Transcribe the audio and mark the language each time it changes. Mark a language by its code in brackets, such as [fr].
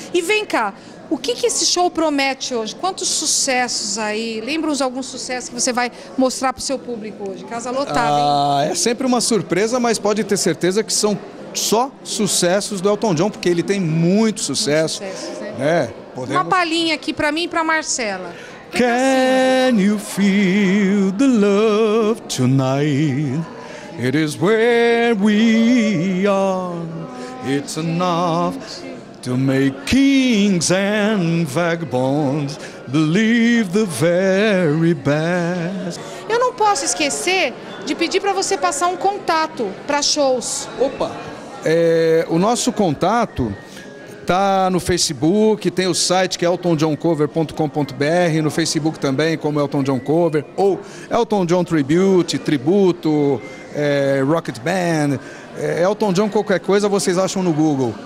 [pt] E vem cá, o que, que esse show promete hoje? Quantos sucessos aí? Lembra-nos alguns sucessos que você vai mostrar para o seu público hoje? Casa lotada, hein? É sempre uma surpresa, mas pode ter certeza que são só sucessos do Elton John, porque ele tem muito sucesso. Uma palhinha aqui para mim e para Marcela. [en] Can you feel the love tonight? It is where we are. It's enough to make kings and vagabonds believe the very best. [pt] Eu não posso esquecer de pedir para você passar um contato para shows. Opa! O nosso contato tá no Facebook, tem o site que é eltonjohncover.com.br, no Facebook também como Elton John Cover, ou Elton John Tribute, Tributo, Rocket Band, Elton John qualquer coisa vocês acham no Google.